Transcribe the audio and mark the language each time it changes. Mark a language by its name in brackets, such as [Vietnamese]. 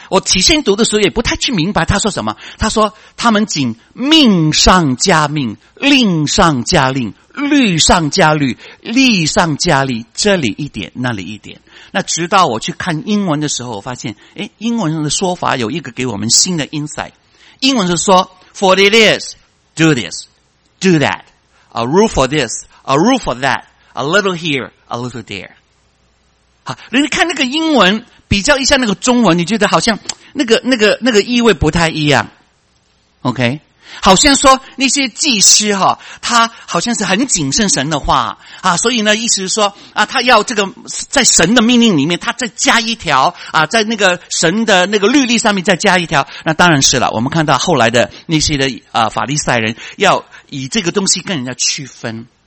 [Chinese] 我起先读的时候也不太去明白他说什么。他说他们仅命上加命，令上加令，律上加律，利上加利，这里一点，那里一点。那直到我去看英文的时候，我发现，诶，英文的说法有一个给我们新的 insight。英文是说 [English] ，for it is do this, do that, a rule for this. A rule for that, a little here, a little there. [Chinese] 好，人家看那个英文，比较一下那个中文，你觉得好像那个意味不太一样。 [English] OK? [Chinese] 好像说那些祭司齁，他好像是很谨慎神的话啊，所以呢意思是说啊，他要这个在神的命令里面他再加一条啊，在那个神的那个律例上面再加一条，那当然是了，我们看到后来的那些的法利赛人要以这个东西跟人家区分。